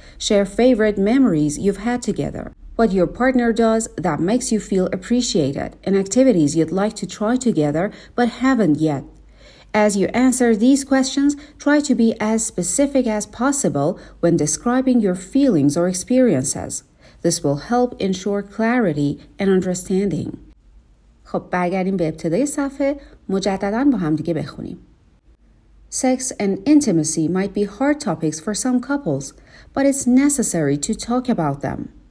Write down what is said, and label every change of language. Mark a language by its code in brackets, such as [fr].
[en] Share favorite memories you've had together. What your partner does that makes you feel appreciated, and activities you'd like to try together but haven't yet. As you answer these questions, try to be as specific as possible when describing your feelings or experiences. This will help ensure clarity and understanding. [fa] خب برگردیم به ابتدای صفحه، مجدداً با هم دیگه بخونیم. [en] Sex and intimacy might be hard topics for some couples, but it's necessary to talk about them.